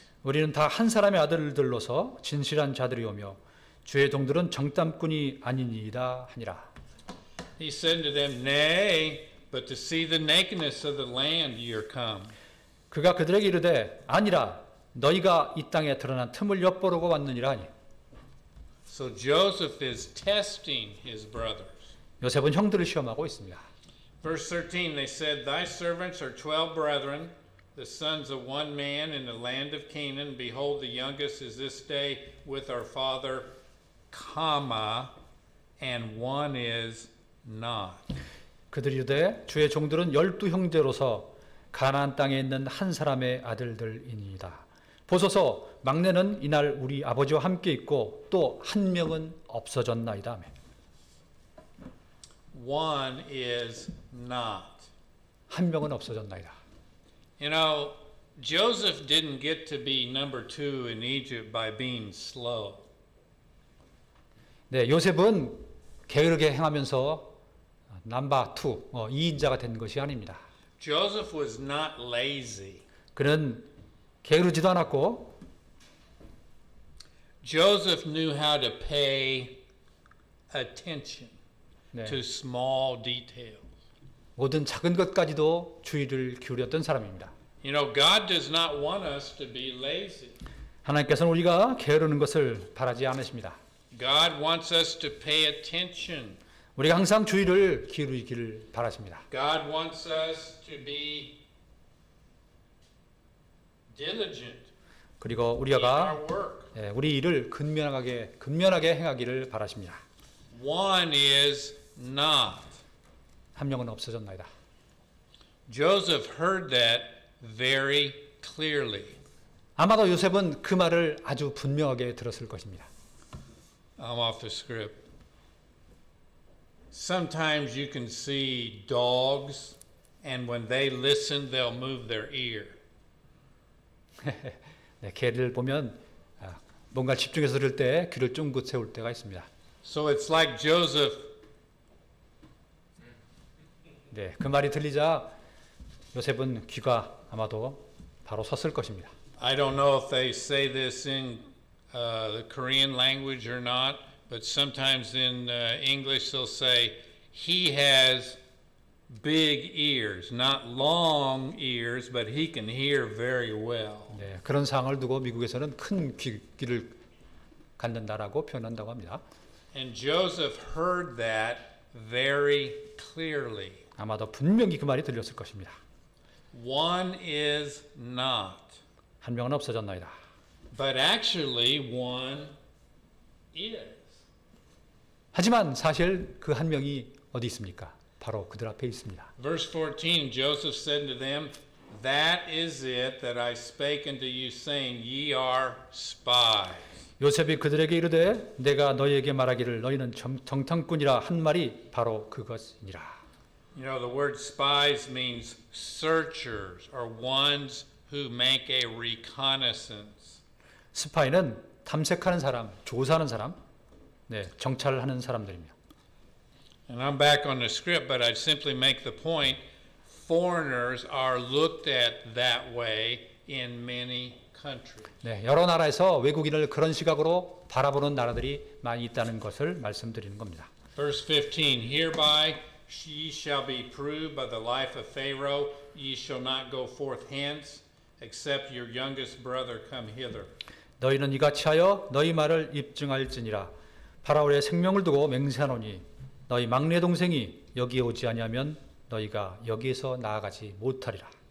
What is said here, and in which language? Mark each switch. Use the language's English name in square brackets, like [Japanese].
[Korean] 우리는 다 한 사람의 아들들로서 진실한 자들이오며 주의 종들은 정탐꾼이 아니니이다 하니라. [English] He said to them, "Nay, but to see the nakedness of the land you are come." [Korean] 그가 그들에게 이르되 아니라 너희가 이 땅에 드러난 틈을 엿보려고 왔느니라 하니. [English] So Joseph is testing his brothers. [Korean] 요셉은 형들을 시험하고 있습니다. [English] Verse 13, they said, "Thy servants are 12 brethren, the sons of one man in the land of Canaan. Behold, the youngest is this day with our father, comma, and one is not." [Korean] 그들이 이르되 주의 종들은 열두 형제로서 가나안 땅에 있는 한 사람의 아들들입니다. 보소서 막내는 이날 우리 아버지와 함께 있고 또 한 명은 없어졌나이다. [English] One is not. [Korean] 한 명은 없어졌나이다. [English] You know, Joseph didn't get to be number two in Egypt by being slow. [Korean] 네, 요셉은 게으르게 행하면서 넘버 2, 2인자가 된 것이 아닙니다. [English] Joseph was not lazy. [Korean] 그는 게으르지도 않았고 [English] Joseph knew how to pay attention 네. to small details. [Korean] 모든 작은 것까지도 주의를 기울였던 사람입니다. [English] You know, God does not want us to be lazy. [Korean] 하나님께서는 우리가 게으르는 것을 바라지 않으십니다. [English] God wants us to pay attention. [Korean] 우리가 항상 주의를 기울이기를 바라십니다. [English] God wants us to be diligent. [Korean] 그리고 우리가 우리 일을 근면하게 행하기를 바라십니다. [English] One is not. [Korean] 한 명은 없어졌나이다. [English] Joseph heard that very clearly. [Korean] 아마도 요셉은 그 말을 아주 분명하게 들었을 것입니다. [English] I'm off the script. Sometimes you can see dogs, and when they listen, they'll move their ear. [Korean] 네, 개를 보면 뭔가 집중해서 들을 때 귀를 쫑긋 세울 때가 있습니다. [English] So it's like Joseph. [Korean] 네, 그 말이 들리자 요셉은 귀가 아마도 바로 섰을 것입니다. [English] I don't know if they say this in the Korean language or not. But sometimes in English they'll say he has big ears, not long ears, but he can hear very well. [Korean] 네, 그런 상황을 두고 미국에서는 큰 귀를 갖는다라고 표현한다고 합니다. [English] And Joseph heard that very clearly. [Korean] 아마도 분명히 그 말이 들렸을 것입니다. [English] One is not. [Korean] 한 명은 없어졌나이다. [English] But actually one is. [Korean] 하지만 사실 그 한 명이 어디 있습니까? 바로 그들 앞에 있습니다. [English] Verse 14, Joseph said to them, "That is it that I spake unto you, saying, ye are spies." [Korean] 요셉이 그들에게 이르되 내가 너희에게 말하기를 너희는 정탐꾼이라 한 말이 바로 그것이니라. [English] You know, the word spies means searchers or ones who make a reconnaissance. [Korean] 스파이는 탐색하는 사람, 조사하는 사람. 네, 정찰을 하는 사람들입니다. [English] And I'm back on the script, but I simply make the point foreigners are looked at that way in many countries. [Korean] 네, 여러 나라에서 외국인을 그런 시각으로 바라보는 나라들이 많이 있다는 것을 말씀드리는 겁니다. [English] Verse 15. Hereby ye shall be proved by the life of Pharaoh. Ye shall not go forth hence except your youngest brother come hither. [Korean] 너희는 이같이 하여 너희 말을 입증할지니라. 파라오의 생명을 두고 맹세하노니 너희 막내 동생이 여기에 오지 아니하면 너희가 여기에서 나아가지 못하리라.